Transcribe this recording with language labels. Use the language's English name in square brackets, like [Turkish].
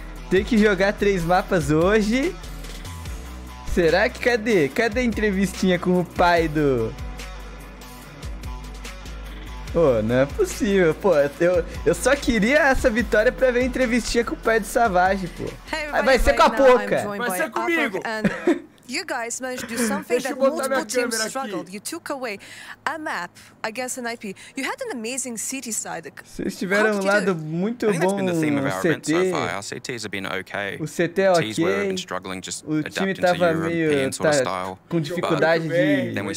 [Portuguese] Tem que jogar três mapas hoje. Será que cadê? Cadê a entrevistinha com o pai do... Pô, não é possível, pô. Eu só queria essa vitória pra ver a entrevistinha com o pai do Savage, pô. Hey, vai ser com a Poca. Vai ser comigo. [English] You guys managed to do something that multiple teams struggled. Aqui. You took away a map against an IP. You had an amazing CT side. [Portuguese] Vocês tiveram um lado muito bom no CT. [English] Our CTs have been okay. [Portuguese] O CT é ok. O time tava meio com dificuldade de...